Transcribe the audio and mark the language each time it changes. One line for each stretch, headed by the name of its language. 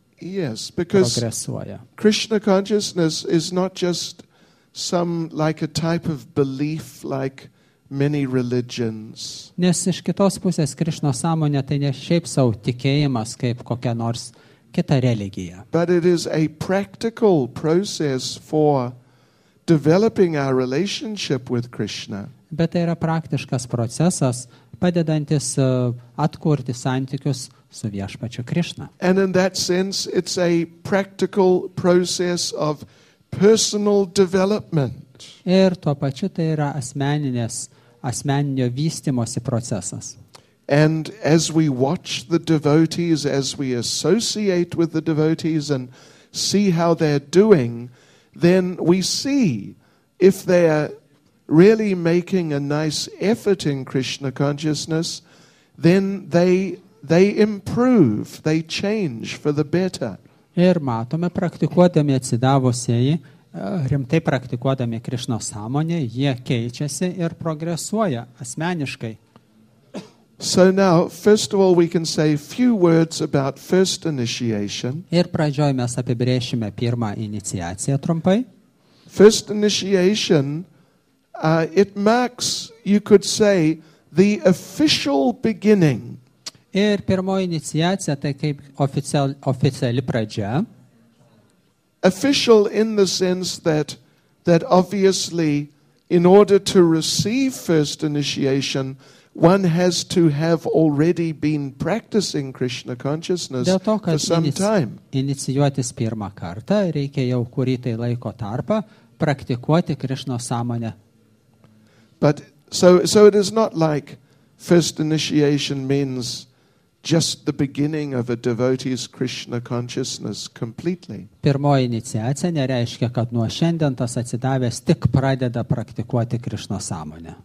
English: Yes, because Krishna consciousness is not just some like a type of belief like many religions.
Lithuanian: Nes iš kitos pusės Krishna sąmonė tai ne šiaip sau tikėjimas kaip kokia nors kita religija.
English: But it is a practical process for developing our relationship with Krishna.
Lithuanian: Bet tai yra praktiškas procesas padedantis atkurti santykius su viešpačiu Krishna.
English: And in that sense it's a practical process of personal development.
Lithuanian: Ir tuo pačiu tai yra asmeninio vystymosi procesas.
English: And as we watch the devotees, as we associate with the devotees and see how they're doing, then we see if they are really making a nice effort in Krishna consciousness, then they improve, they change for the better.
Lithuanian: Ir matome, praktikuodami atsidavusieji, rimtai praktikuodami Krišno sąmonę, jie keičiasi ir progresuoja asmeniškai.
English: So now, first of all, we can say a few words about first initiation.
Lithuanian: Ir pradžioj mes apibrėšime pirmą iniciaciją trumpai.
English: First initiation, it marks, you could say, the official beginning.
Lithuanian: Ir pirmoji iniciacija, tai kaip oficiali pradžia.
English: Official in the sense that obviously, in order to receive first initiation, one has to have already been practicing Krishna consciousness for some time.
Lithuanian: Inicijuotis pirmą kartą, reikia jau kurį tai laiko tarpą praktikuoti Krišno sąmonę.
English: But so it is not like first initiation means just the beginning of a devotee's Krishna consciousness completely.
Lithuanian: Pirmoji iniciacija nereiškia, kad nuo šiandien tas atsidavęs tik pradeda praktikuoti Krišno sąmonę.